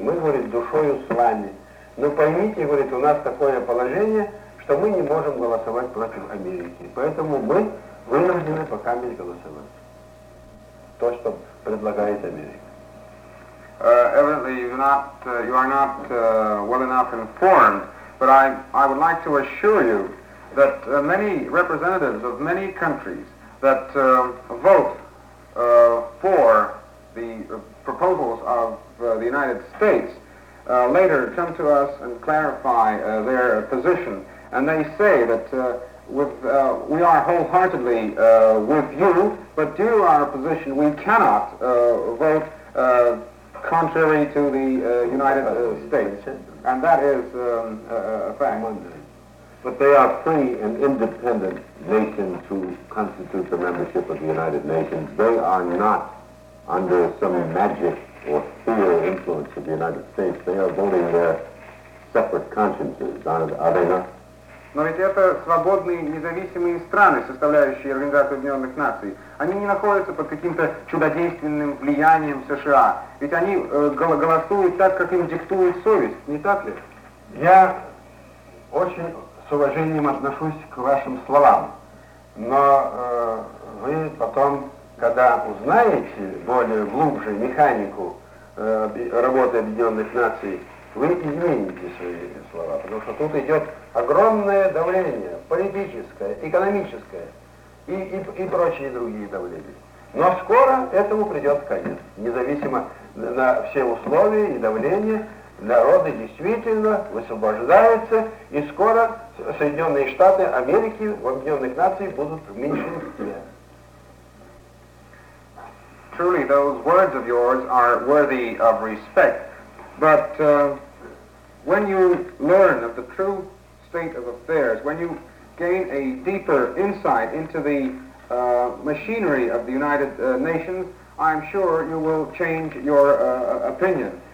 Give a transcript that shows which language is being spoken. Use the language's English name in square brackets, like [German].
[Russian] Мы, говорит, душою с вами. Но поймите, говорит, у нас такое положение, что мы не можем голосовать против Америки. Поэтому мы вынуждены пока не голосовать. То, что... [English] Evidently, you are not well enough informed, but I would like to assure you that many representatives of many countries that vote for the proposals of the United States later come to us and clarify their position, and they say that we are wholeheartedly with you, but due to our position, we cannot vote contrary to the United States. And that is a fact. But they are free and independent nations who constitute the membership of the United Nations. They are not under some magic or fear influence of the United States. They are voting their separate consciences, are they not? [Russian] Но ведь это свободные, независимые страны, составляющие Организацию Объединенных Наций. Они не находятся под каким-то чудодейственным влиянием США. Ведь они голосуют так, как им диктует совесть, не так ли? Я очень с уважением отношусь к вашим словам. Но вы потом, когда узнаете более глубже механику работы Объединенных Наций, вы измените свои слова, потому что тут идет огромное давление, политическое, экономическое и прочие другие давления. Но скоро этому придет конец. Независимо на все условия и давления, народы действительно высвобождаются, и скоро Соединенные Штаты Америки в Объединенных Нациях будут в меньшинстве. [English] Truly, those words of yours are worthy of respect, but... When you learn of the true state of affairs, when you gain a deeper insight into the machinery of the United Nations, I'm sure you will change your opinion.